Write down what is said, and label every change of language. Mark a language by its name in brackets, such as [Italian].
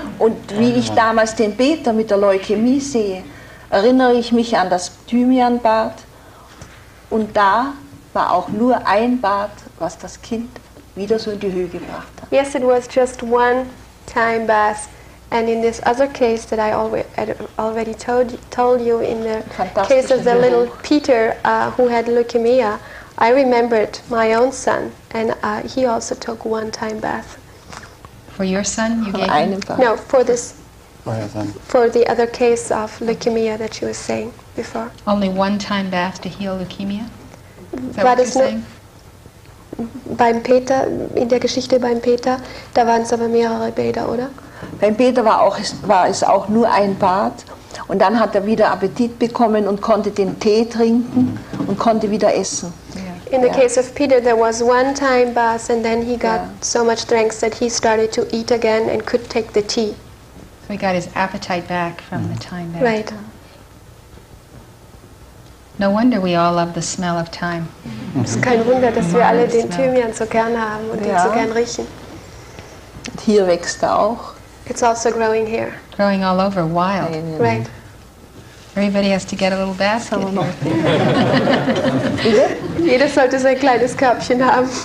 [German] Und wie ich damals den Peter mit der Leukämie sehe, erinnere ich mich an das Thymianbad. Und da war auch nur ein Bad, was das Kind wieder so in die Höhe gebracht hat. [English] Yes, it was just one time bath. And in this other case that I already told you, in the case of the little Peter who had leukemia, I remembered my own son, and he also took one time bath. For your son, you gave him? No, for this. For the other case of leukemia that you were saying before. Only one time bath to heal leukemia? Is that what you're saying? [German] Beim Peter, in der Geschichte beim Peter, da waren es aber mehrere Bäder, oder? Beim Peter war es auch nur ein Bad. Und dann hat er wieder Appetit bekommen und konnte den Tee trinken und konnte wieder essen. [English] In the case of Peter, there was one time bath and then he got so much strength that he started to eat again and could take the tea. So he got his appetite back from the time that. Right. No wonder we all love the smell of time. [German] Es ist kein Wunder, dass wir alle den Thymian so gern haben und ihn so gern riechen. Hier wächst er auch. [English] It's also growing here. Growing all over, wild. Right. Everybody has to get a little basket here. [German] Jeder sollte sein kleines Körbchen haben.